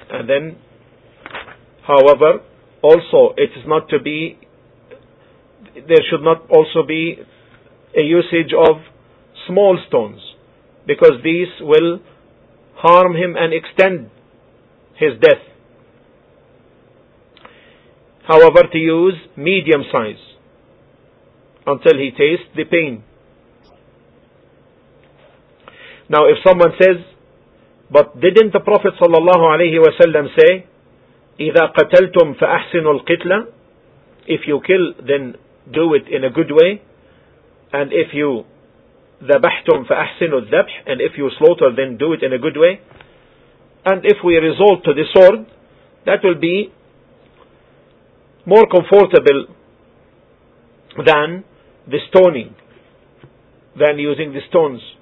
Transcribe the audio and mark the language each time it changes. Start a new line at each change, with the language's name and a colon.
English: And then, however, also it is not to be, there should not also be a usage of small stones, because these will harm him and extend his death. However, to use medium size until he tastes the pain. Now, if someone says, But didn't the Prophet صلى الله عليه وسلم say,
Arabic: إذا قتلتم فأحسنوا القتلة?
English: If you kill, then do it in a good way. And if you
Arabic: ذبحتم فأحسنوا الذبح.
English: And if you slaughter, then do it in a good way. And if we resort to the sword, that will be more comfortable than the stoning, than using the stones.